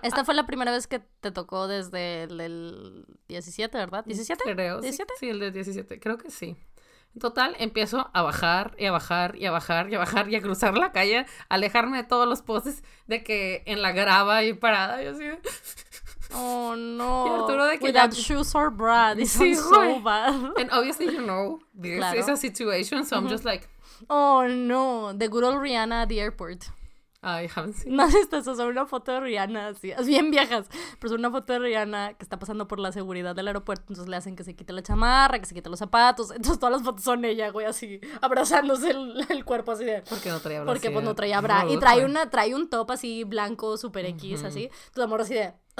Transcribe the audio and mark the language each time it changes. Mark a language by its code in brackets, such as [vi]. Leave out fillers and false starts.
[es] esta fue la primera vez que te tocó desde el 17, ¿verdad? ¿17? Creo. ¿17? Sí, el de 17. Creo que sí. En total, empiezo a bajar y a bajar y a bajar y a bajar y a cruzar la calle, alejarme de todos los postes, de que en la grava y parada. Yo así... Oh no. Y Arturo de que [en] without shoes or bra, this is so bad. And obviously you know this is a situation, so I'm just like, oh no, the good old Rihanna at the airport. I haven't seen. [es] No, esto es una foto de Rihanna, así, es bien viejas, pero es una foto de Rihanna que está pasando por la seguridad del aeropuerto, entonces le hacen que se quite la chamarra, que se quite los zapatos, entonces todas las fotos son ella, güey, así, abrazándose el cuerpo, así de... ¿Por qué no traía bra? Porque pues no traía bra, y trae un top así blanco, super X, así, entonces amor así de...